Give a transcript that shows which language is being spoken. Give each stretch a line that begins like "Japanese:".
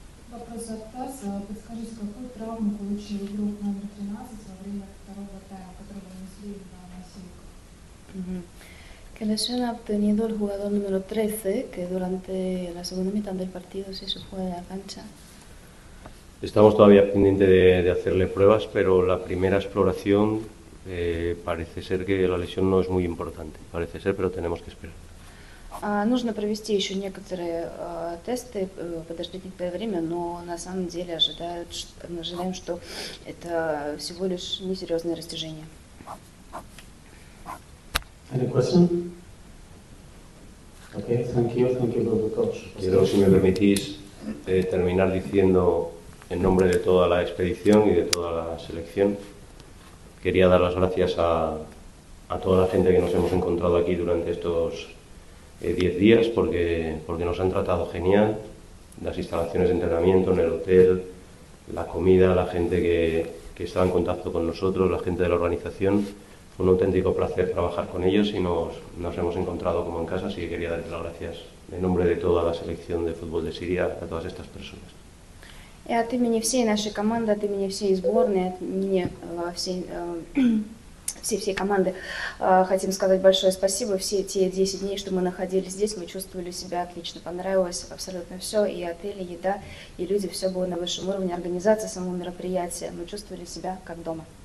Russian: Вопрос от ТАСС. Подскажите, какую травму получил игрок номер 13 во время второго тайма, которого внесли на носилках?
Spanish: ¿Qué lesión ha obtenido el jugador número 13 que durante la segunda mitad del partido se fue a la cancha? Estamos todavía pendientes de hacerle pruebas, pero la primera exploración parece ser que la lesión no es muy importante. Parece ser, pero tenemos que esperar.
Russian: Нужно провести еще некоторые тесты, подождать некоторое время, но на самом деле ожидают, что, мы ожидаем, что это всего лишь несерьезное растяжение.
English: Any question? Okay, thank you, coach.
Spanish: Quiero, si me permitís, terminar diciendo en nombre de toda la expedición y de toda la selección, quería dar las gracias a toda la gente que nos hemos encontrado aquí durante estos 10 días, porque nos han tratado genial, las instalaciones de entrenamiento en el hotel, la comida, la gente que estaba en contacto con nosotros, la gente de la organización. Fue un auténtico placer trabajar con ellos y nos hemos encontrado como en casa, así que quería darles las gracias en nombre de toda la selección de fútbol de Siria a todas estas personas.
Russian: И от имени всей нашей команды, от имени всей сборной, от имени всей команды хотим сказать большое спасибо. Все те 10 дней, что мы находились здесь, мы чувствовали себя отлично, понравилось абсолютно все. И отель, и еда, и люди, все было на высшем уровне. Организация самого мероприятия, мы чувствовали себя как дома.